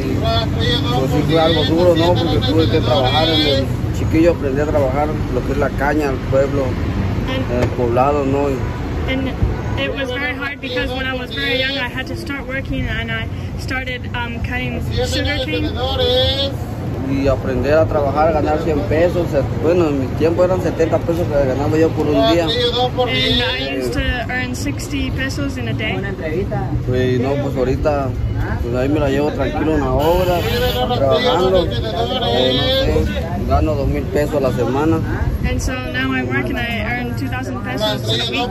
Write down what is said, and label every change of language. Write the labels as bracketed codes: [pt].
[en] And it was very hard because when I was very young, I had to start working and I started cutting sugar cane. [es] Y aprender a trabajar, a ganar 100 pesos. Bueno, en mi tiempo eran 70 pesos que ganaba yo por un día. [en] And I used to earn 60 pesos in a day. [es] Pues no, pues ahorita, pues ahí me la llevo tranquilo una hora, trabajando. No sé, gano 2,000 pesos a la semana. [en] And so now I work and I earn 2,000 pesos a week.